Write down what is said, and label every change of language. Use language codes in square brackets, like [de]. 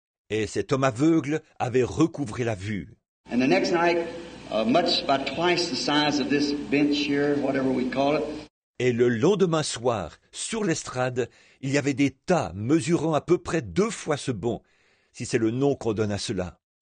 [fr] Et cet homme aveugle avait recouvré la vue. [en] And the next night, much about twice the size of this bench here, whatever we call it. [fr] Et le lendemain soir, sur l'estrade, il y avait des tas mesurant à peu près deux fois ce banc, si c'est le nom qu'on donne à cela.